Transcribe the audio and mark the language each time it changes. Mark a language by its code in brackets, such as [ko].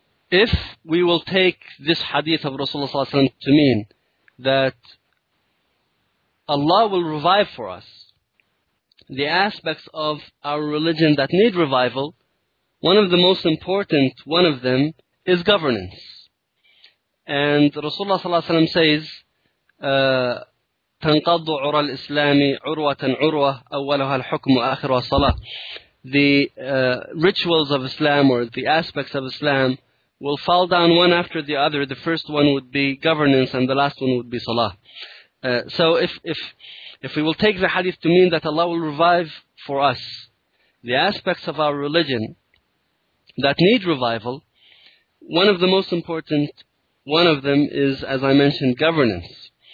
[en] if we will take this hadith of Rasulullah Sallallahu Alaihi Wasallam to mean that Allah will revive for us the aspects of our religion that need revival, one of the most important one of them is governance. And Rasulullah Sallallahu Alaihi Wasallam says, [ar] تَنْقَضُ عُرَى الْإِسْلَامِ عُرْوَةً عُرْوَةً أَوَّلَهَا الْحُكْمُ وَآخِرُهَا الصَّلَاةِ. [en] The rituals of Islam or the aspects of Islam will fall down one after the other. The first one would be governance and the last one would be salah. So if we will take the hadith to mean that Allah will revive for us the aspects of our religion that need revival, one of the most important one of them is, as I mentioned, governance.